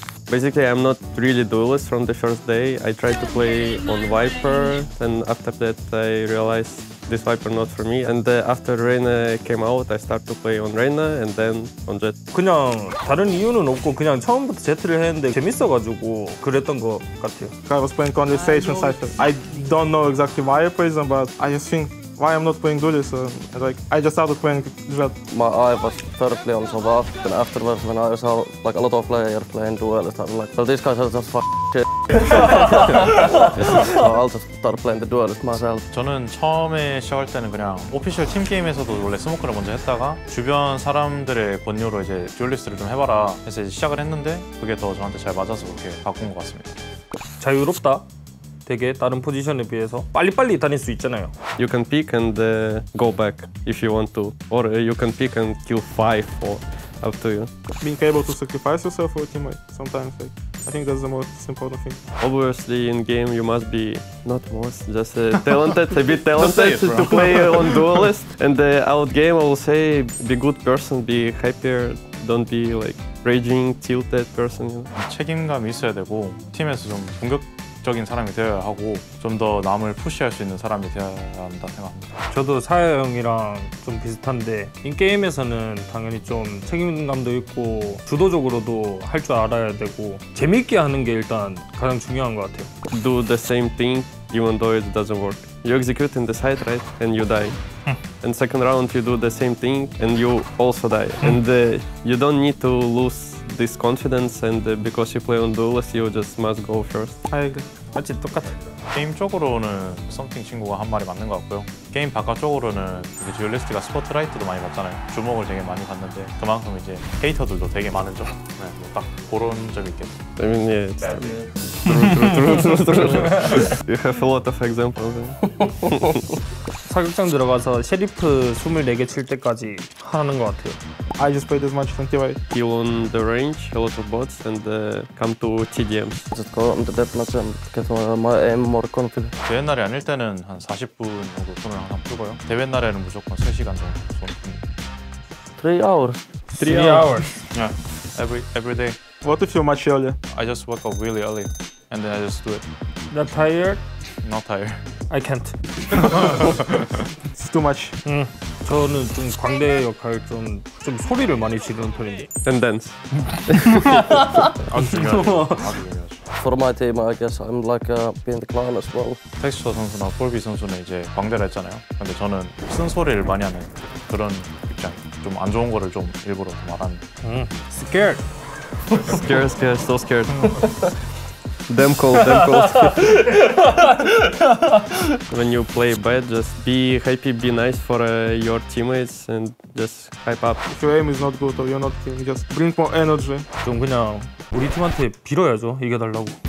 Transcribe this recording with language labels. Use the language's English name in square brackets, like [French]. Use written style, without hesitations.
[English] Basically, I'm not really duelist from the first day. I tried to play on Viper, and after that, I realized this Viper not for me. And after Reina came out, I started to play on Reina, and then on Jet. [Korean] 그냥 다른 이유는 없고 그냥 처음부터 Jet를 했는데 재밌어가지고 그랬던 것 같아요. [English] I was playing conversation cipher. I don't know exactly why I played them, but I just think why I'm not playing duelist. Like I just started playing Jet. My eye was perfectly on Sobat, and afterwards when I saw like a lot of players playing duelist, I was like, well, these guys are just fucking. I'll just start playing the duelist myself. [Korean] 저는 처음에 시작할 때는 그냥 오피셜 팀 게임에서도 원래 스모크를 먼저 했다가 주변 사람들의 권유로 이제 듀얼리스트를 좀 해봐라 해서 이제 시작을 했는데 그게 더 저한테 잘 맞아서 그렇게 바꾼 것 같습니다. 자유롭다. 되게 다른 포지션에 비해서 빨리빨리 다닐 수 있잖아요. [English] You can pick and go back if you want to, or you can pick and kill five or up to you. Being able to sacrifice yourself for a teammate sometimes, like. I think that's the most important thing. Obviously, in game, you must be not most, just talented, a bit talented it, to play on duelist. And out game, I will say, be good person, be happier, don't be like raging, tilted person. You know? [Korean] 책임감이 있어야 되고 팀에서 좀 공격적인 사람이 되어야 하고 좀 더 남을 푸시할 수 있는 사람이 되어야 한다 생각합니다. 저도 사야 형이랑 좀 비슷한데 인 게임에서는 당연히 좀 책임감도 있고 주도적으로도 할 줄 알아야 되고 재밌게 하는 게 일단 가장 중요한 것 같아요. [English] Do the same thing even though it doesn't work. You execute in the side right and you die. And second round you do the same thing and you also die. And you don't need to lose this confidence and because you play on duelist you just must go first. [Korean] 같이 똑같아. 게임 쪽으로는 썸띵 친구가 한 말이 맞는 것 같고요. 게임 바깥쪽으로는 듀얼리스트가 스포트라이트도 많이 받잖아요. 주목을 되게 많이 받는데 그만큼 이제 헤이터들도 되게 많은 점. 네, 딱 그런 점이 있겠죠. [English] I mean, yeah, true. You have a lot of examples. [Korean] 사격장 들어가서 셰리프 24개 칠 때까지 하는 것 같아요. [English] I just played as much as TY. He won the range, a lot of bots, and come to TDM. Just go on the deathmatch and get my aim more confident. [Korean] 대회 날이 아닐 때는 한 40분 정도 손을 항상 풀고요. 대회 날에는 무조건 3시간 정도 손을 풉니다. [English] 3 hours. Yeah, every day. What if you match earlier? I just woke up really early, and then I just do it. Not tired? Not tired. I can't. It's too much. [Korean] 저는 좀 광대 역할 좀 소리를 많이 지르는 편인데. [English] And dance. [Korean] 아주 중요하죠. [English] For my team, I guess I'm like being the clown as well. [Korean] 텍스처 선수나 폴비 선수는 이제 광대를 했잖아요. 근데 저는 쓴소리를 많이 하는 그런 입장. 좀 안 좋은 거를 좀 일부러 말하는. [English] Scared. Scared, scared, so scared. Damn cold. When you play bad, just be happy, be nice for your teammates and just hype up. If your aim is not good or you're not killing, just bring more energy. [Korean] 좀 그냥 우리 팀한테 빌어야죠, 이겨달라고.